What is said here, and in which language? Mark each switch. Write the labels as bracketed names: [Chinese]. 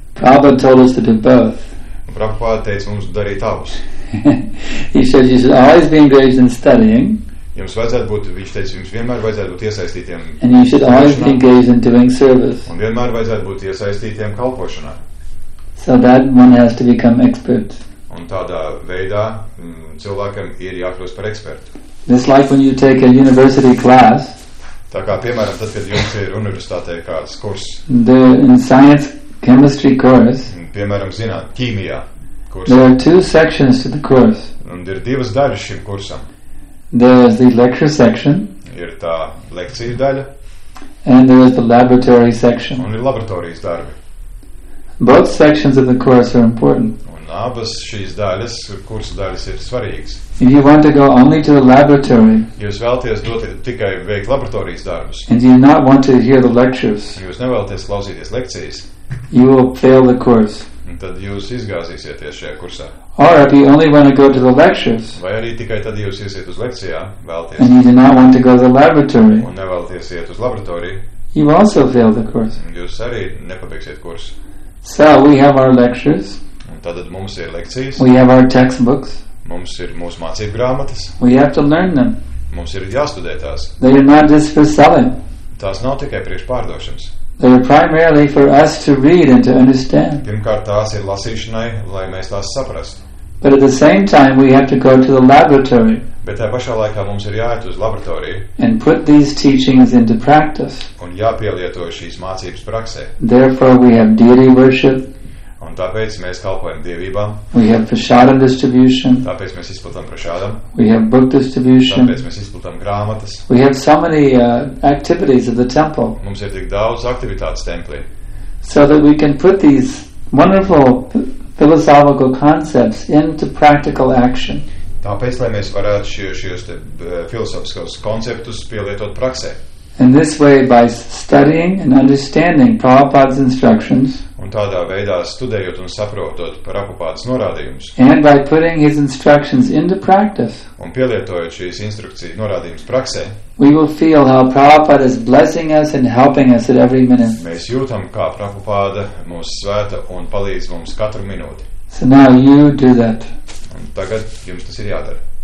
[English] Prabhupāda told us to do both. [Latvian] Prabhupāda teica mums darīt abus. [English] He said you should always be engaged in studying. [Latvian] Jums vajadzētu būt, viņš teica, jums vienmēr vajadzētu būt iesaistītiem. [English] And you should always be engaged in doing service. [Latvian] Un vienmēr vajadzētu būt iesaistītiem kalpošanā. [English] So that one has to become expert. [Latvian] Un tādā veidā cilvēkam ir jākļūst par ekspertu. [English] This life when you take a university class. [Latvian] Tā kā, piemēram, tad, kad jums ir universitātē kāds kurs. [English] In science chemistry course. [Latvian] Piemēram, zināt, ķīmijā kurs. [English] There are two sections to the course. [Latvian] Un ir divas daļas šim kursam. [English] There is the lecture section. [Latvian] Ir tā lekcija daļa. [English] And there is the laboratory section. [Latvian] Un ir laboratorijas darbi. [English] Both sections of the course are important. [Latvian] Abas šīs daļas, kursa daļas ir svarīgas. [English] If you want to go only to the laboratory. [Latvian] Jūs vēlaties doties tikai veikt laboratorijas darbus. [English] And you not want to hear the lectures. [Latvian] Jūs nevēlaties klausīties lekcijas. [English] You will fail the course. [Latvian] tad jūs izgāzīsieties šajā kursā. [English] Or if you only want to go to the lectures. [Latvian] Vai arī tikai tad jūs iesiet uz lekcijām, vēlties. [English] And you do not want to go to the laboratory. [Latvian] Un nevēlties iet uz laboratoriju. [English] You also fail the course. [Latvian] Jūs arī nepabeigsiet kursu. [English] So we have our lectures. [Latvian] Tātad mums ir lekcijas. [English] We have our textbooks. [Latvian] Mums ir mūsu mācību grāmatas. [English] We have to learn them. [Latvian] Mums ir jāstudē tās. [English] They are not just for selling. [Latvian] Tās nav tikai priekš pārdošanas. [English] They are primarily for us to read and to understand. [Latvian] Pirmkārt, tās ir lasīšanai, lai mēs tās saprastu. [English] But at the same time, we have to go to the laboratory. [Latvian] Bet tajā pašā laikā mums ir jāiet uz laboratoriju. [English] And put these teachings into practice. [Latvian] Un jāpielieto šīs mācības praksē. [English] Therefore, we have deity worship. [Latvian] Un tāpēc mēs kalpojam dievībām. [English] We have prasādam distribution. [Latvian] Tāpēc mēs izplatām prasādam. [English] We have book distribution. [Latvian] Tāpēc mēs izplatām grāmatas. [English] We have so many activities of the temple. [Latvian] Mums ir tik daudz aktivitātes templī. [English] So that we can put these wonderful philosophical concepts into practical action. [Latvian] Tāpēc, lai mēs varētu šos te filosofiskos konceptus pielietot praksē. [English] In this way, by studying and understanding Prabhupada's instructions, [Latvian] un tādā veidā studējot un saprotot Prabhupādas norādījumus. [English] And by putting his instructions into practice. [Latvian] Un pielietojot šīs instrukcijas norādījumus praksē. [English] We will feel how Prabhupada is blessing us and helping us at every minute. [Latvian] Mēs jūtam, kā Prabhupāda mūs svēta un palīdz mums katru minūti. [English] So now you do that. [Latvian] Un tagad jums tas ir jādara.